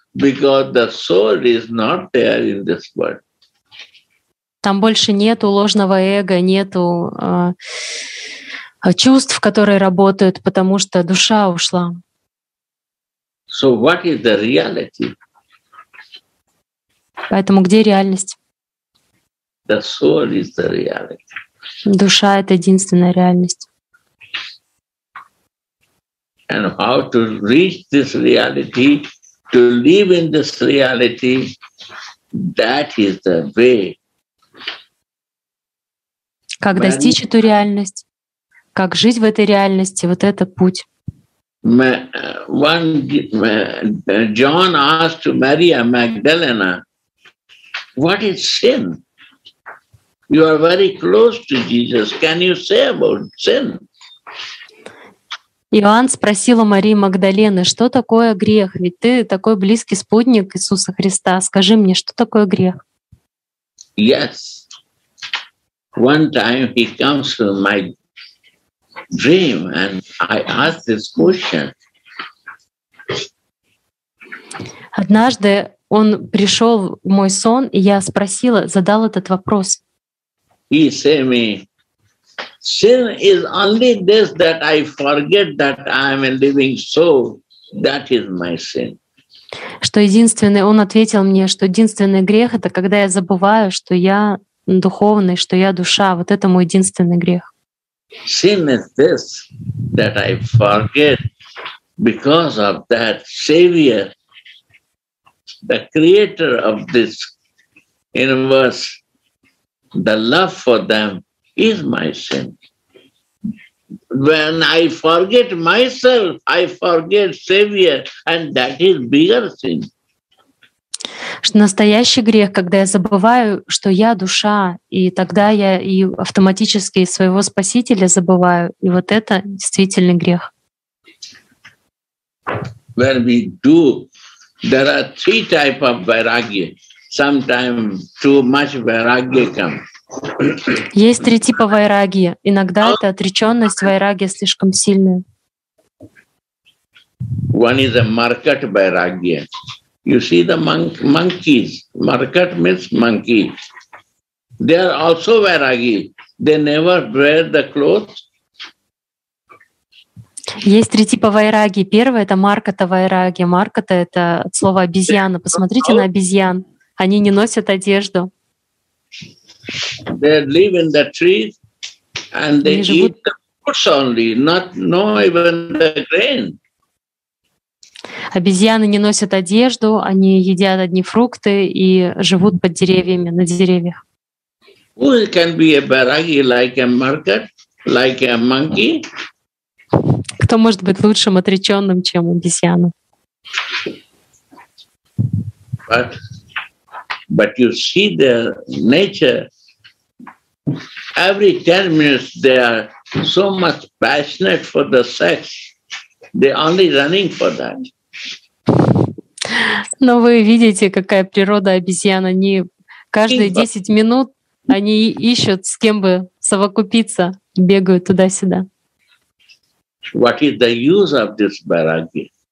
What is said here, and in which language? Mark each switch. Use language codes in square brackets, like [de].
[en] Because the soul is not there in this world. [ru] Там больше нету ложного эго, нету чувств, которые работают, потому что душа ушла. [en] So what is the reality? [ru] Поэтому где реальность? [en] The soul is the reality. [ru] Душа — это единственная реальность. [en] and how to reach this reality, to live in this reality, that is the way. [ru] Как достичь эту реальность, как жить в этой реальности, вот это путь. [en] One John asked Maria Magdalena, what is sin? You are very close to Jesus. Can you say about sin? [ru] Иоанн спросил у Марии Магдалены, что такое грех? Ведь ты такой близкий спутник Иисуса Христа. Скажи мне, что такое грех? [en] Yes. One time he comes to my dream and I asked this question. [ru] Однажды он пришел в мой сон, и я спросила, задал этот вопрос. [en] He said me, sin is only this that I forget that I am a living soul. That is my sin. [ru] Что единственное, он ответил мне, что единственный грех это когда я забываю, что я духовный, что я душа. Вот это мой единственный грех. [en] Sin is this that I forget because of that Savior, the creator of this universe, the love for them is my sin. When I forget myself, I forget Savior, and that is bigger sin. [ru] Что настоящий грех, когда я забываю, что я душа, и тогда я и автоматически своего Спасителя забываю, и вот это действительно грех. [en] When we do, there are three types of vairagya. Sometimes too much vairagya comes. [ru] Есть три типа вайрагия. Иногда это отречённость, вайрагия слишком сильная. [en] One is a market vairagya. You see the monkeys. Markat means monkey. They are also vairagi. They never wear the clothes. [ru] Есть три типа вайраги. Первое — это марката вайраги. Марката — это слово обезьяна. Посмотрите на обезьян. Они не носят одежду. [en] They live in the trees and they eat the fruits only, not even the grain. [ru] Обезьяны не носят одежду, они едят одни фрукты и живут под деревьями, на деревьях. [en] Who can be a vairagi like a market, like a monkey? [ru] Кто может быть лучшим отречённым, чем обезьяна? [en] But you see the nature. Every 10 minutes they are so much passionate for the sex. They only running for that. [ru] Но вы видите, какая природа обезьян. Они каждые 10 минут они ищут, с кем бы совокупиться, бегают туда-сюда. [en] What is the use of this vairagya?